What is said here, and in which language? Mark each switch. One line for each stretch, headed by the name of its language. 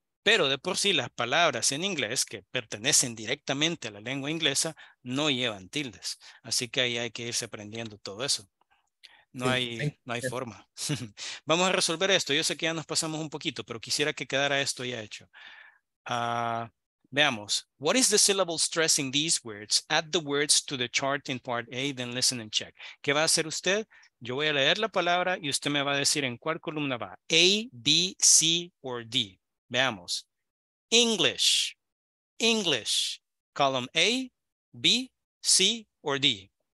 Spanish: Pero de por sí las palabras en inglés que pertenecen directamente a la lengua inglesa no llevan tildes. Así que ahí hay que irse aprendiendo todo eso. No hay forma. Vamos a resolver esto. Yo sé que ya nos pasamos un poquito, pero quisiera que quedara esto ya hecho.
English: Veamos. What is the syllable stressing these words? Add the words to the chart in part A, then listen and check.
Spanish: ¿Qué va a hacer usted? Yo voy a leer la palabra y usted me va a decir en cuál columna va.
English: A, B, C or D. Veamos. English. English. Column A, B, C or D.